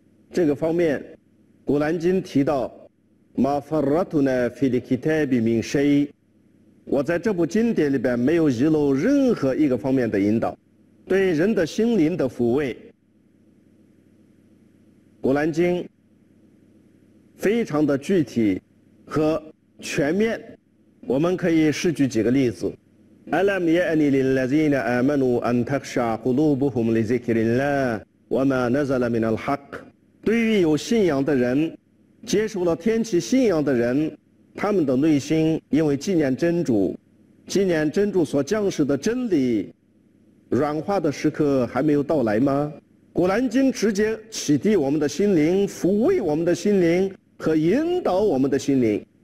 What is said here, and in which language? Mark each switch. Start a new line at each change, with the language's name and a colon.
Chinese: 这个方面古兰经提到，
Arabic: ما فرطنا في الكتاب من شيء，
Chinese: 我在这部经典里边没有遗漏任何一个方面的引导，对人的心灵的抚慰，古兰经非常的具体和全面。我们可以试举几个例子。
Arabic: ألم يأن للذين آمنوا أن تخشع قلوبهم لذكر الله وما نزل من الحق，
Chinese: 对于有信仰的人，接受了天启信仰的人，他们的内心因为纪念真主，纪念真主所降世的真理，软化的时刻还没有到来吗？古兰经直接启迪我们的心灵，抚慰我们的心灵和引导我们的心灵。